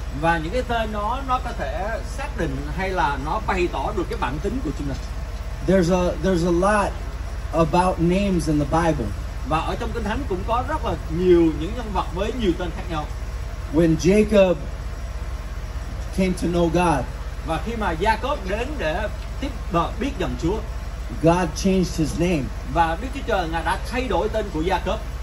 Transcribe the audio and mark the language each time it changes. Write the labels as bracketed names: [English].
[Vietnamese] Và những cái tên nó có thể xác định hay là nó bày tỏ được cái bản tính của chúng ta. [English] There's a lot about names in the Bible. [Vietnamese] Và ở trong Kinh Thánh cũng có rất là nhiều những nhân vật với nhiều tên khác nhau. [English] When Jacob came to know God. [Vietnamese] Và khi mà Jacob đến để tiếp biết dòng Chúa. [English] God changed his name. [Vietnamese] Và Đức Chúa Trời Ngài đã thay đổi tên của Jacob.